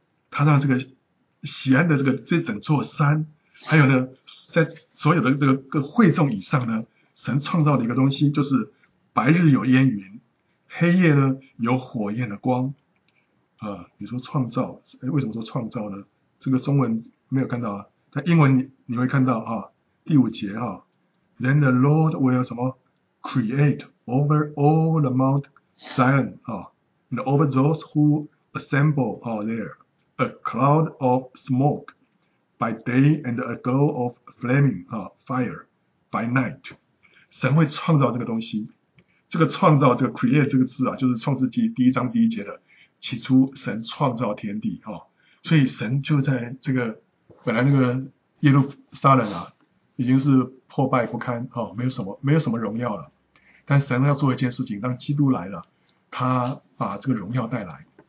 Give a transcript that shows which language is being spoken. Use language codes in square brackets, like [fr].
[zh] 他让这个锡安的这整座山还有呢在所有的这个会众以上呢，神创造的一个东西就是白日有烟云黑夜呢有火焰的光啊。你说创造为什么说创造呢？这个中文没有看到啊，但英文 你会看到啊，第五节啊 [en] Then the Lord will [zh] 什么 [en] create over all the Mount Zion [zh] 啊 [en] and over those who assemble are there a cloud of smoke by day and a glow of flaming fire by night。 [zh] 神会创造这个东西，这个创造这个 create 这个字啊，就是创世纪第一章第一节的起初神创造天地、哦、所以神就在这个本来那个耶路撒冷啊已经是破败不堪、哦、没有什么荣耀了，但神要做一件事情，当基督来了他把这个荣耀带来，